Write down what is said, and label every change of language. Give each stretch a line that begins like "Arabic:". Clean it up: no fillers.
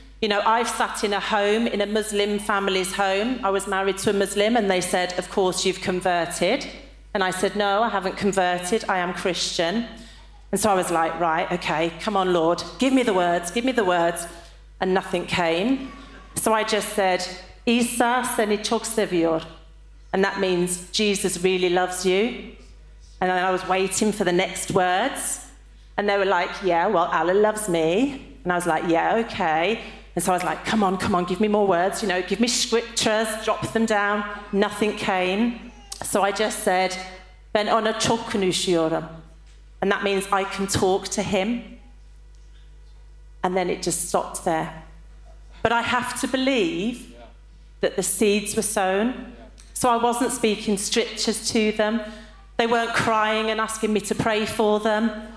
English: You know, I've sat in a home, in a Muslim family's home. I was married to a Muslim, and they said, of course, you've converted. And I said, no, I haven't converted. I am Christian. And so I was like, right, okay, come on, Lord. Give me the words, give me the words. And nothing came. So I just said,
Turkish: Isa seni çok seviyor.
English: And that means Jesus really loves you. And then I was waiting for the next words. And they were like, yeah, well, Allah loves me. And I was like, yeah, okay. And so I was like, come on, give me more words, you know, give me scriptures, drop them down. Nothing came. So I just said,
Turkish: ben ona çok konuşuyorum.
English: And that means I can talk to him. And then it just stopped there. But I have to believe that the seeds were sown. So I wasn't speaking scriptures to them. They weren't crying and asking me to pray for them.